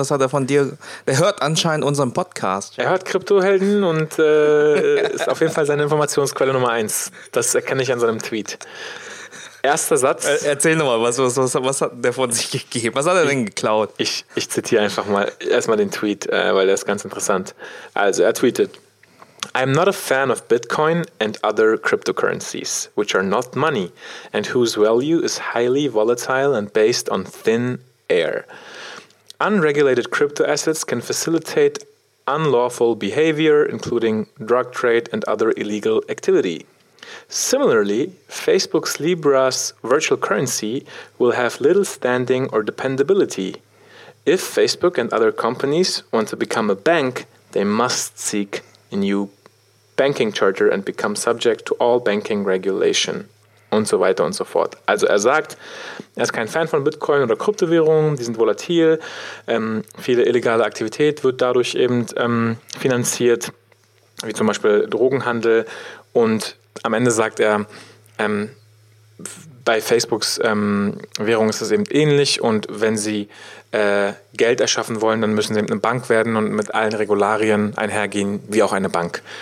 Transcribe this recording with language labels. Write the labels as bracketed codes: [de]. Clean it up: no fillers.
[de] Das hat er von dir, er hört anscheinend unseren Podcast. Er hört Kryptohelden und ist auf jeden Fall seine Informationsquelle Nummer 1. Das erkenne ich an seinem Tweet. Erster Satz. Erzähl nochmal, was hat der von sich gegeben? Was hat er denn geklaut? Ich zitiere einfach mal erstmal den Tweet, weil der ist ganz interessant. Also er tweetet: [en] I am not a fan of Bitcoin and other cryptocurrencies, which are not money and whose value is highly volatile and based on thin air. Unregulated crypto assets can facilitate unlawful behavior, including drug trade and other illegal activity. Similarly, Facebook's Libra's virtual currency will have little standing or dependability. If Facebook and other companies want to become a bank, they must seek a new banking charter and become subject to all banking regulation. [de] Und so weiter und so fort. Also er sagt, er ist kein Fan von Bitcoin oder Kryptowährungen, die sind volatil. Viele illegale Aktivität wird dadurch eben finanziert, wie zum Beispiel Drogenhandel. Und am Ende sagt er, bei Facebooks Währung ist es eben ähnlich und wenn sie Geld erschaffen wollen, dann müssen sie eben eine Bank werden und mit allen Regularien einhergehen, wie auch eine Bank.